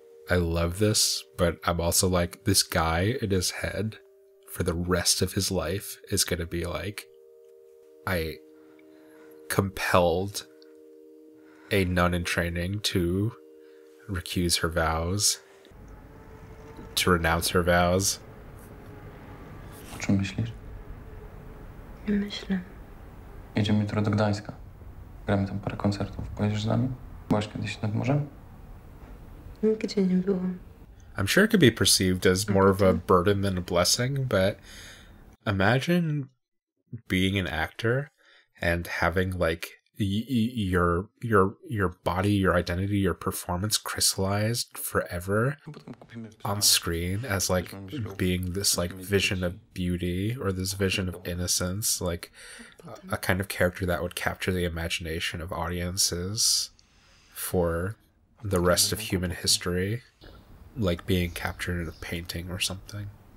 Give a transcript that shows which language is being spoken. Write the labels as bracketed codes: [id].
[en] I love this, but I'm also like, this guy in his head for the rest of his life is gonna be like, I compelled a nun in training to recuse her vows, to renounce her vows. [pl] O czym myślisz? Nie myślę. Jedziemy jutro do Gdańska. Gramy tam parę koncertów. Pojedziesz z nami? Byłaś kiedyś nad morzem? [en] I'm sure it could be perceived as more of a burden than a blessing, but imagine being an actor and having like your body, your identity, your performance crystallized forever on screen as like being this like vision of beauty or this vision of innocence, like a kind of character that would capture the imagination of audiences for the rest of human history, like being captured in a painting or something.